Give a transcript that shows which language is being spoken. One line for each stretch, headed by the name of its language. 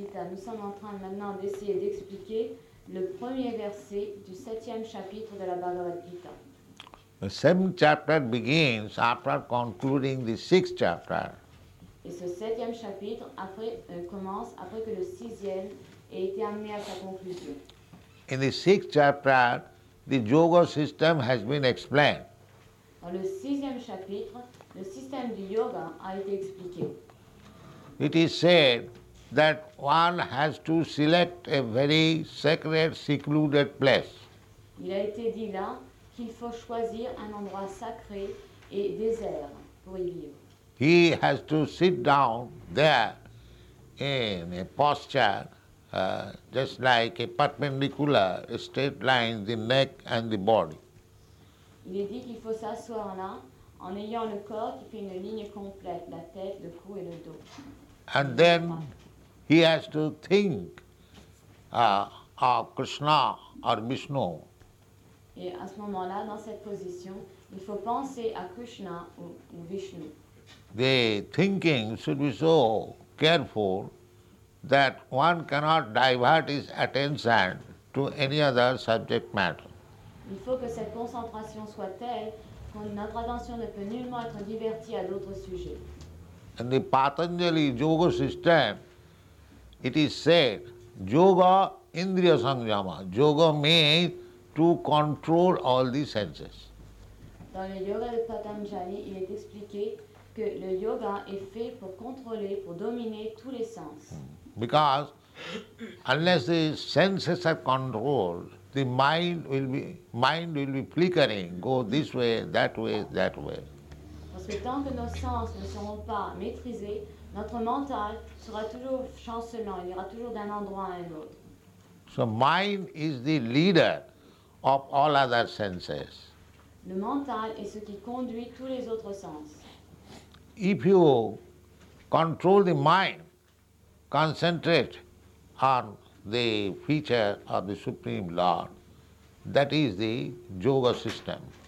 French: Nous sommes en train maintenant d'essayer d'expliquer le premier verset du septième chapitre de la Bhagavad Gita.
English: The seventh chapter begins after concluding the sixth chapter.
French: Et ce septième chapitre commence après que le sixième ait été amené à sa conclusion.
English: In the sixth chapter, the yoga system has been explained.
French: Dans le sixième chapitre, le système du yoga a été expliqué.
English: It is said that one has to select a very sacred, secluded place.
French: Il a été dit là qu'il faut choisir un endroit sacré et désert pour y vivre.
English: He has to sit down there in a posture, just like a perpendicular straight line, the neck and the body.
French: Il est dit qu'il faut s'asseoir là en ayant le corps qui fait une ligne complète, la tête, le cou et le dos.
English: And then he has to think of Krishna or Vishnu.
French: Et à ce moment-là, dans cette position, il faut penser à Krishna ou Vishnu.
English: The thinking should be so careful that one cannot divert his attention to any other subject matter.
French: Il faut que cette concentration soit telle que notre attention ne peut nullement être divertie à d'autres sujets.
English: In the Patanjali yoga system, it is said,
Sanskrit: yoga indriya samyama.
English: Yoga means to control all the senses.
French: Dans le yoga de Patanjali, il est expliqué que le yoga est fait pour contrôler, pour dominer tous les sens.
English: Because unless the senses are controlled, the mind will be flickering, go this way, that way, that way.
French: Parce que tant que nos sens ne seront pas maîtrisés, notre mental sera toujours chancelant, il ira toujours d'un endroit à un autre.
English: So mind is the leader of all other senses.
French: Le mental est ce qui conduit tous les autres sens.
English: If you control the mind, concentrate on the feature of the Supreme Lord. That is the yoga system.